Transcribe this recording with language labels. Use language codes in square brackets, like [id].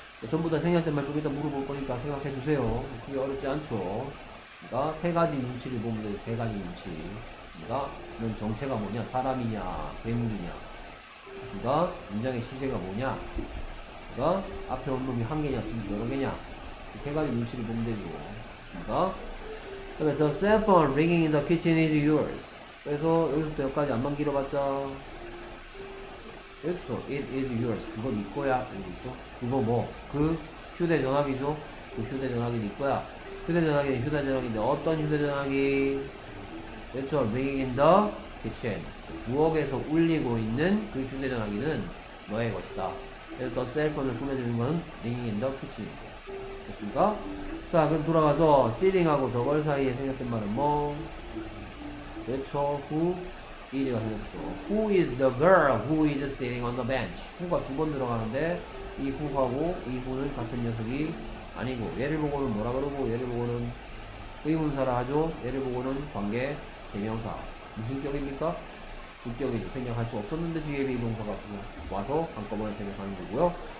[ko] 전부 다 생략된 말 조금 이따 물어볼 거니까 생각해 주세요. 그게 어렵지 않죠. 그러니까 세 가지 눈치를 보면 돼요. 세 가지 눈치. 그러니까 정체가 뭐냐? 사람이냐? 괴물이냐? 그러니까 문장의 시제가 뭐냐? 그러니까 앞에 온 놈이 한 개냐? 둘이 여러 개냐? 이 세 가지 눈치를 보면 되죠. 그러니까 그다음에 [en] The cell phone ringing in the kitchen is yours. [ko] 그래서 여기서부터 여기까지 안만 길어봤자 그렇죠. [en] It is yours. [ko] 그건 네 거야. 그렇죠? 그거 뭐? 그 휴대전화기죠? 그 휴대전화기 네 거야. 휴대전화기는 휴대전화기인데 어떤 휴대전화기? 그렇죠. [en] Ringing in the kitchen. [ko] 부엌에서 울리고 있는 그 휴대전화기는 너의 것이다. 그래서 the cell phone을 꾸며주는 건 [en] Ringing in the kitchen. [ko] 됐습니까? 자, 그럼 돌아가서 sitting하고 the girl 사이에 생겼던 말은 뭐? 그렇죠. Who? 이제가 생겼죠. [en] Who is the girl who is sitting on the bench? [ko] Who가 두 번 들어가는데 이 Who하고 이 Who는 같은 녀석이 아니고 얘를 보고는 뭐라 그러고 얘를 보고는 의문사라 하죠. 얘를 보고는 관계 대명사. 무슨 격입니까? 두 격이 생략할 수 없었는데 뒤에 비동사가 와서 한꺼번에 생략하는 거고요.